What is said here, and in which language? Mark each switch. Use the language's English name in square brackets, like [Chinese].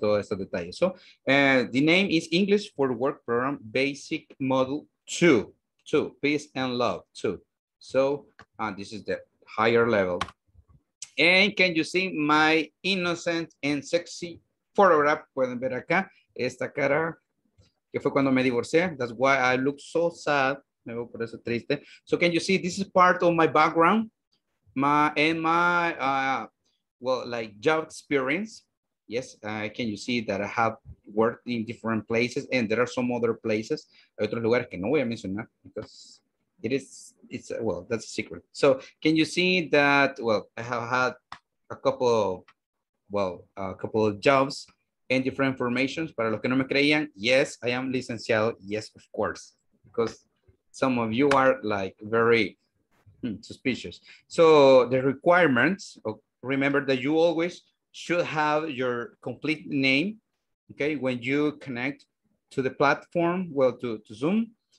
[Spanish] Todo este detalle. [English] So the name is English for Work Program Basic Model 2, Peace and Love 2. So this is the higher level. And can you see my innocent and sexy photograph? [Spanish] Pueden ver acá esta cara que fue cuando me divorcié. [English] That's why I look so sad. [Spanish] Me veo por eso triste. [English] So can you see this is part of my background, my job experience. Yes, can you see that I have worked in different places, and there are some other places, [Spanish] otros lugares que no voy a mencionar [English] because it is, it's, well, that's a secret. So can you see that, well, I have had a couple of jobs and different formations. [Spanish] Para los que no me creían, [English] yes, I am [Spanish] licenciado. [English] Yes, of course, because some of you are like very suspicious. So the requirements, remember that you always should have your complete name, okay, when you connect to the platform, well, to Zoom.